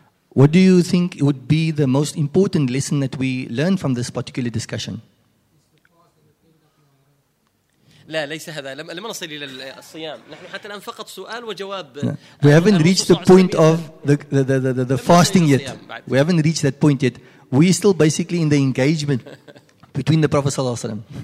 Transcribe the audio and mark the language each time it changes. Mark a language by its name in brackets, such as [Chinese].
[English] What do you think would be the most important lesson that we learn from this particular discussion? [Arabic] لا ليس هذا لم نصل إلى الصيام نحن حتى الآن فقط سؤال وجواب. [English] We haven't reached the point of the fasting yet. We haven't reached that point yet. We still basically in the engagement between the Prophet صلى الله عليه وسلم.